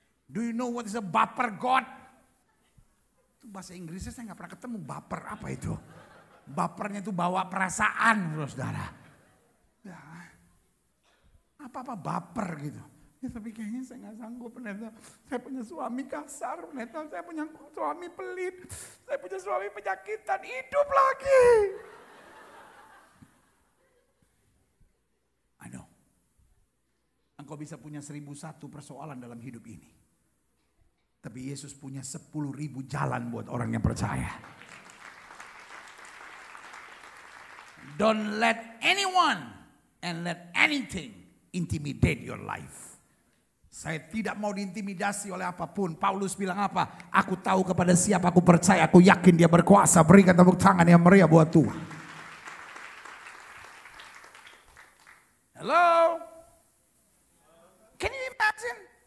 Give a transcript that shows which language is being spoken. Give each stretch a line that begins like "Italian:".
English: Do you know what is a baper God?
Indonesian: Itu bahasa Inggrisnya saya gak pernah ketemu, baper apa itu? Bapernya itu bawa perasaan, saudara. Ya, apa-apa baper gitu. Ya, tapi kayaknya saya gak sanggup, pendeta. Saya punya suami kasar, pendeta. Saya punya suami pelit. Saya punya suami penyakitan. Hidup lagi.
English: I know.
Indonesian: Engkau bisa punya 1001 persoalan dalam hidup ini. Tapi Yesus punya 10.000 jalan buat orang yang percaya.
English: Don't let anyone and let anything intimidate your life.
Indonesian: Saya tidak mau diintimidasi oleh apapun. Paulus bilang apa? Aku tahu kepada siapa aku percaya, aku yakin dia berkuasa. Berikan tepuk tangan yang meriah buat Tuhan.
English: Hello? Can you imagine?